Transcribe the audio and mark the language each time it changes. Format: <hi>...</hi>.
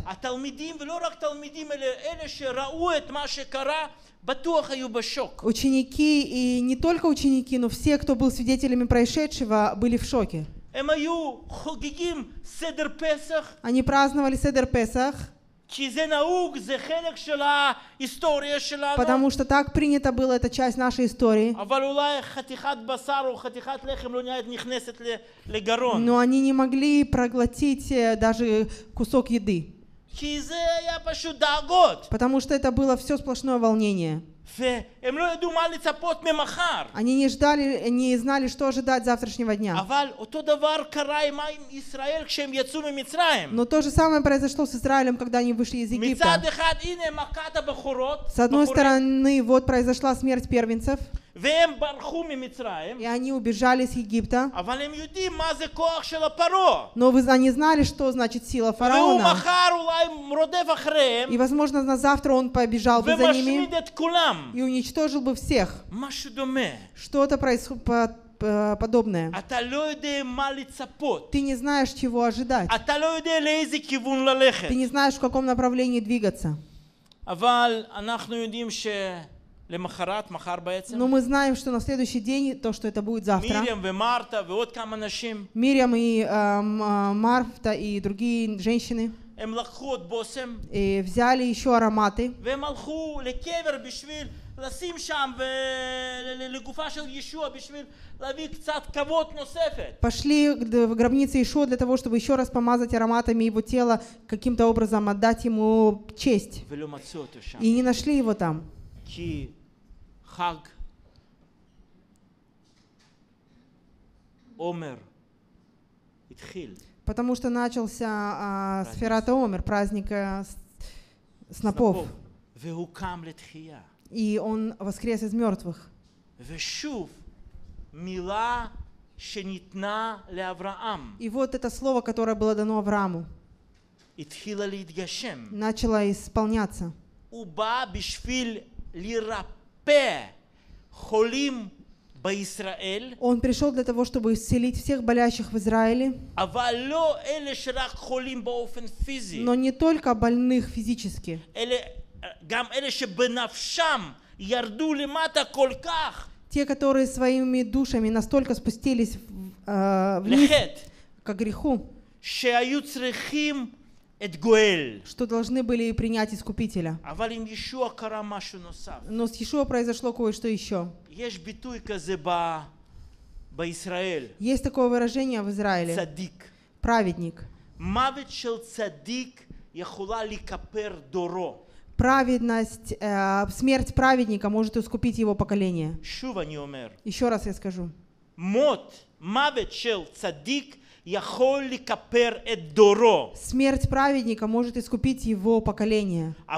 <he>התלמידים ולא רק תלמידים אלה שראו את מה שקרה בטוח היו בשוק.</he> <ru>Ученики и не только ученики, но все, кто был свидетелями происшедшего, были в шоке.</ru> <he>הם היו חוגגים סדר פסח.</he> <ru>Они праздновали седер Песах.</ru> <he>כי זה נהוג, זה חלק של ההיסטוריה שלנו.</he> <ru>Потому что так принято было, это часть нашей истории.</ru> <he>אבל אולי חתיכת בשר או חתיכת לחם לא נכנסת לגרון.</he> <ru>Но они не могли проглотить даже кусок еды.</ru> <he>כי זה היה פשוט דאגות.</he> <ru>Потому что это было все сплошное волнение.</ru> <he>והם לא ידעו מה לצפות ממחר.</he> <ru>Они не ждали, не знали, что ожидать завтрашнего дня.</ru> <he>אבל אותו דבר קרה עם ישראל כשהם יצאו ממצרים.</he> <ru>Но то же самое произошло с Израилем, когда они вышли из Египта.</ru> <he>מצד אחד, הנה מכת הבחורות.</he> <ru>С одной стороны, вот произошла смерть первенцев.</ru> <he>והם ברחו ממצרים.</he> <ru>И они убежали из Египта.</ru> <he>אבל הם יודעים מה זה כוח של הפרעה.</he> <ru>Но они знали, что значит сила фараона.</ru> <he>והוא מחר אולי רודף אחריהם.</he> <ru>И возможно, на завтра он побежал бы за ними.</ru> <he>ומשמיד את כולם.</he> <ru>И уничтожил бы всех.</ru> <he>משהו דומה.</he> <ru>Что-то происходит подобное.</ru> <he>אתה לא יודע מה לצפות.</he> <ru>Ты не знаешь, чего ожидать.</ru> <he>אתה לא יודע לאיזה כיוון ללכת.</he> <ru>Ты не знаешь, в каком направлении двигаться.</ru> <he>אבל אנחנו יודעים ש למחרת, מחר בעצם.</he> <ru>Но мы знаем, что на следующий день, то, что это будет завтра.</ru> <he>Мирьям и Марта, ועוד כמה נשים.</he> <ru>Мирьям и Марта и другие женщины.</ru> <he>הם לקחו את בושם.</he> <ru>Взяли еще ароматы.</ru> <he>והם הלכו לקבר בשביל לשים שם לגופה של ישוע בשביל להביא קצת כבוד נוספת.</he> <ru>Пошли в гробницу Иешуа для того, чтобы еще раз помазать ароматами его тела, каким-то образом отдать ему честь.</ru> <he>ולא מצאו אותו שם.</he> <ru>И не нашли его там.</ru> <he>כי חג עומר התחיל.</he> <ru>Потому что начался Сфират Омер, праздник снопов.</ru> <he>והוקם לתחייה.</he> <ru>И он воскрес из мертвых.</ru> <he>ושוב, מילה שניתנה לאברהם.</he> <ru>И вот это слово, которое было дано Аврааму.</ru> <he>התחילה להתגשם.</he> <ru>Начало исполняться.</ru> <he>ובא בשביל לרפא חולים בישראל.</he> <ru>Он пришел для того, чтобы исцелить всех болящих в Израиле.</ru> <he>אבל לא אלה שרק חולים באופן פיזי.</he> <ru>Но не только больных физически.</ru> <he>גם אלה שבנפשם ירדו למטה כל כך.</he> <ru>Те, которые своими душами настолько спустились вниз, к греху,</ru> <he>שהיו צריכים את גואל.</he> <ru>Что должны были принять искупителя.</ru> <he>אבל עם ישוע קרה משהו נוסף.</he> <ru>Но с Иешуа произошло кое-что еще.</ru> <he>יש ביטוי כזה בישראל.</he> <ru>Есть такое выражение в Израиле.</ru> <he>צדיק.</he> <ru>Праведник.</ru> <he>מוות של צדיק יכולה לכפר דורו.</he> <ru>Праведность, смерть праведника может искупить его поколение. Еще раз я скажу. Смерть праведника может искупить его поколение.</ru>